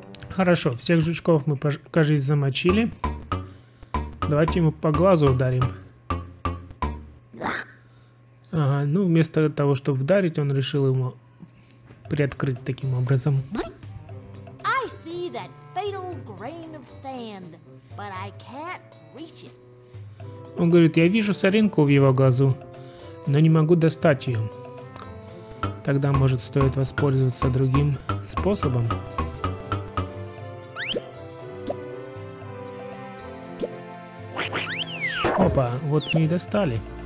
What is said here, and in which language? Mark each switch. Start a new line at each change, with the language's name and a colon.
Russian: Хорошо, всех жучков мы, кажется, замочили. Давайте ему по глазу ударим. Ага, ну вместо того, чтобы вдарить, он решил ему приоткрыть таким образом.
English: I see that fatal grain of sand, but I can't reach it.
Russian: Он говорит, я вижу соринку в его глазу, но не могу достать ее. Тогда, может, стоит воспользоваться другим способом. Опа, вот мы и достали.